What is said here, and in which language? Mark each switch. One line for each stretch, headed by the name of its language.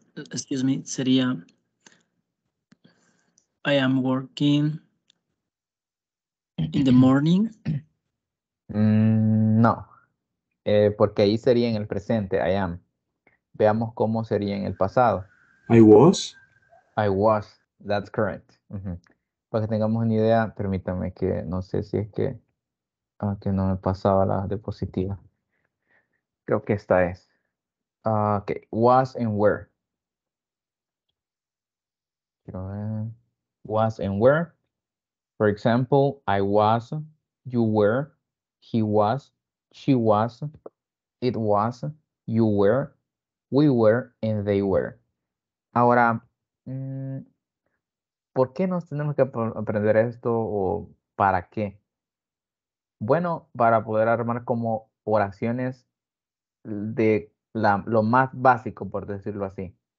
English: Excuse me,
Spanish: sería,
English: I am working in the morning.
Spanish: No, porque ahí sería en el presente,
English: I am.
Spanish: Veamos cómo sería en el pasado.
English: I was, that's correct. Mm-hmm.
Spanish: Para que tengamos una idea, permítame que no sé si es que no me pasaba la diapositiva. Creo que esta es.
English: Okay, was and were.
Spanish: Quiero ver.
English: Was and were. For example, I was, you were, he was, she was, it was, you were, we were, and they were.
Spanish: Ahora, ¿por qué nos tenemos que aprender esto o para qué? Bueno, para poder armar como oraciones de lo más básico, por decirlo así.